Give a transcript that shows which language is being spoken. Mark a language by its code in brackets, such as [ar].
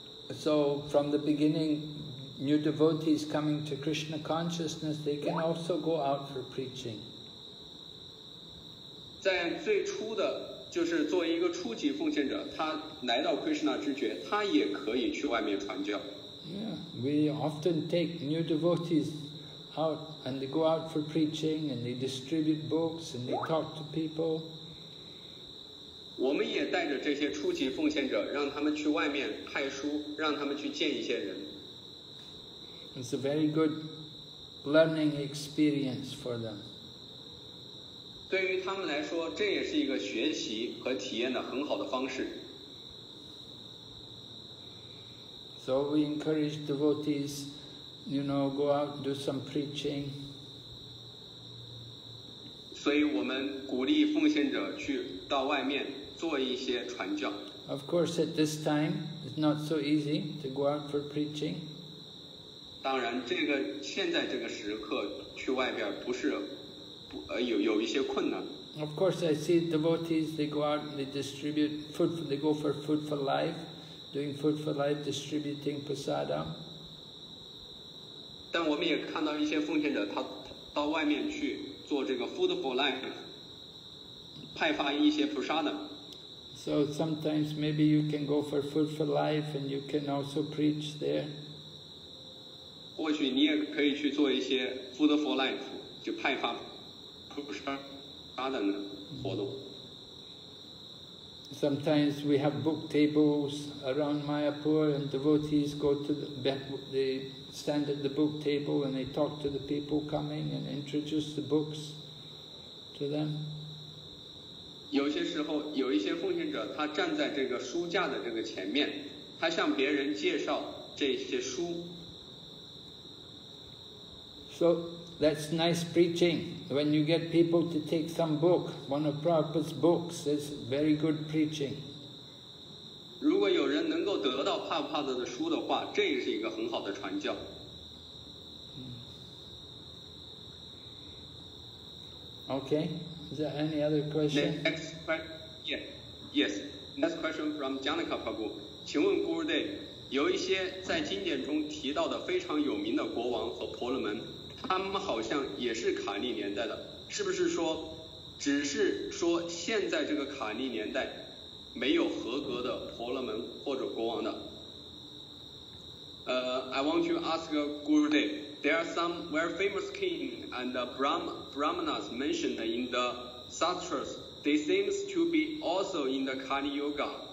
[en] So from the beginning, new devotees coming to Krishna consciousness, they can also go out for preaching. [zh] 在最初的，就是作为一个初级奉献者，他来到 Krishna 知觉，他也可以去外面传教。 [en] Yeah, we often take new devotees. Out, and they go out for preaching, and they distribute books, and they talk to people. [zh] 我们也带着这些初级奉献者，让他们去外面派书，让他们去见一些人。 [en] It's a very good learning experience for them. [zh] 对于他们来说，这也是一个学习和体验的很好的方式。 [en] So we encourage devotees. You know, go out, do some preaching. [zh] 所以我们鼓励奉献者去到外面做一些传教。 [en] Of course, at this time, it's not so easy to go out for preaching. [zh] 当然，这个现在这个时刻去外边不是有一些困难。 [en] Of course, I see devotees. They go out. They distribute food. They go for food for life, doing food for life, distributing prasada. [zh] 但我们也看到一些奉献者 他到外面去做这个 food for life, 派发一些菩萨的。 [en] So sometimes maybe you can go for food for life and you can also preach there. [zh] 或许你也可以去做一些 food for life, 就派发菩萨的活动。 [en] Sometimes we have book tables around Mayapur and devotees go to they stand at the book table and they talk to the people coming and introduce the books to them. [zh] 有些时候有一些奉献者他站在这个书架的这个前面，他向别人介绍这些书。 [en] So that's nice preaching. When you get people to take some book, one of Prabhupada's books, it's very good preaching. [zh] 如果有人能够得到帕帕德的书的话，这也是一个很好的传教。 [en] Okay, is there any other question? Next question, yeah, yes. Next question from Janaka Prabhu. [zh] 请问 Gurudev, 有一些在经典中提到的非常有名的国王和婆罗门。他们好像也是卡利年代的，是不是说，只是说现在这个卡利年代没有合格的婆罗门或者国王的？ [en] I want to ask Gurudev, there are some very famous king and brahmanas mentioned in the sutras. They seems to be also in the Kali Yuga.